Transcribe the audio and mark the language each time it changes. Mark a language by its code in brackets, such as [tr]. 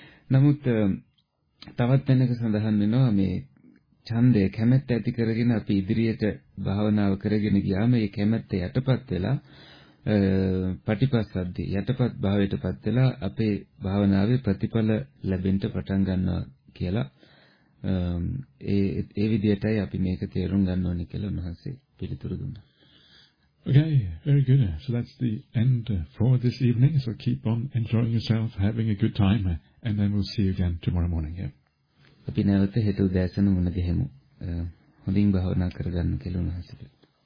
[si] නමුත් තවත් වෙනක සඳහන් වෙනවා මේ ඡන්දය කැමැත්ත ඇති කරගෙන අපි ඉදිරියට භාවනාව කරගෙන ගියාම මේ කැමැත්ත යටපත් වෙලා පටිපස්සද්දී යටපත් භාවයටපත් වෙලා අපේ භාවනාවේ ප්‍රතිඵල ලැබෙන්න පටන් ගන්නවා කියලා ඒ විදිහටයි අපි මේක තේරුම් ගන්න ඕනේ කියලා උන්වහන්සේ පිළිතුරු දුන්නා. [en] Okay, very good. So that's the end for this evening. So keep on enjoying yourself, having a good time, and then we'll see you again tomorrow morning. [si] අපි නැවත හෙට උදෑසන මුණ ගැහෙමු. හොඳින් භවනා කරගන්න කියලා උන්වහන්සේ